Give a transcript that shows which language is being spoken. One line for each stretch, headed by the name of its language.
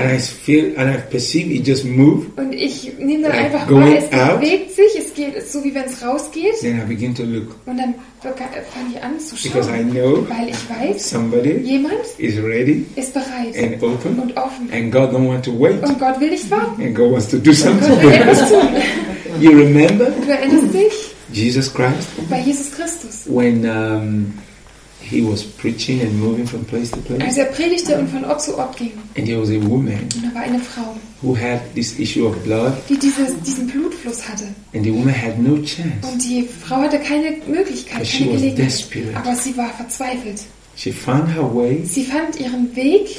English: And I feel and I perceive it just move.
German: Und ich nehme dann einfach wahr, es bewegt sich, es geht so wie wenn es rausgeht.
English: Then I begin to look.
German: Und dann fange ich an zu schauen.
English: Because I know,
German: weil ich weiß,
English: somebody
German: jemand
English: is ready,
German: ist bereit
English: and open,
German: und offen.
English: And God don't want to wait.
German: Und Gott will nicht warten.
English: And God wants to do something.
German: Und Gott will etwas tun.
English: You remember?
German: Du erinnerst dich?
English: Jesus Christ.
German: Bei Jesus Christus.
English: When he was preaching and moving from place to place.
German: Als er predigte und von Ort zu Ort ging.
English: And there was a woman.
German: Und da war eine Frau.
English: Who had this issue of blood.
German: Die diesen Blutfluss hatte.
English: And the woman had no chance.
German: Und die Frau hatte keine Möglichkeit,
English: but she was
German: Gelegenheit.
English: Desperate.
German: Aber sie war verzweifelt.
English: She found her way.
German: Sie fand ihren Weg.